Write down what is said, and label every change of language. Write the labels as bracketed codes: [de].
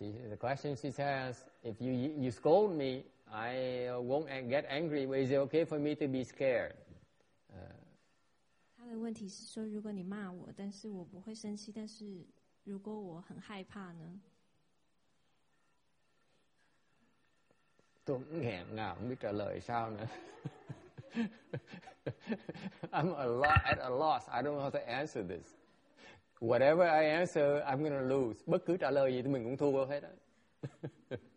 [en] The question she says, if you scold me, I won't get angry, but is it okay for me to be scared? [zh] 她的问题是说, 如果你骂我, 但是我不会生气, 但是如果我很害怕呢? [vi] Tôi cũng nghẹn ngào, không biết trả lời sao nữa. [en] I'm at a loss. I don't know how to answer this. Whatever I answer, I'm going to lose. [vi] Bất cứ trả lời gì thì mình cũng thua hết á.